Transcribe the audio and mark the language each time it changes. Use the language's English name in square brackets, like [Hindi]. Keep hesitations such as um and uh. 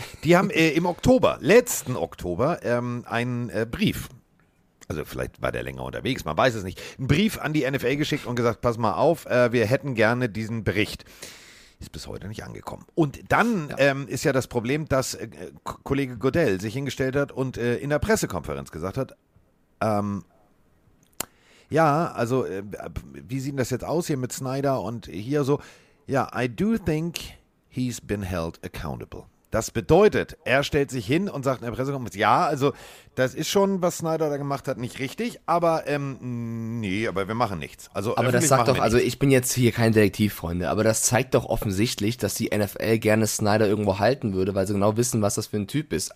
[German] Die haben äh, im Oktober, letzten Oktober, ähm, einen äh, Brief, also vielleicht war der länger unterwegs, man weiß es nicht, einen Brief an die NFL geschickt und gesagt, pass mal auf, wir hätten gerne diesen Bericht. Ist bis heute nicht angekommen. Und dann ja. Ähm, ist ja das Problem, dass Kollege Godell sich hingestellt hat und in der Pressekonferenz gesagt hat, ähm, ja, also äh, wie sieht das jetzt aus hier mit Snyder und hier so? [English] Ja, I do think he's been held accountable. [German] Das bedeutet, er stellt sich hin und sagt in der Pressekonferenz, ja, also das ist schon, was Snyder da gemacht hat, nicht richtig, aber ähm, nee, aber wir machen nichts. Also aber das sagt doch, also nichts. ich bin jetzt hier kein Detektiv, Freunde, aber das zeigt doch offensichtlich, dass die NFL gerne Snyder irgendwo halten würde, weil sie genau wissen, was das für ein Typ ist.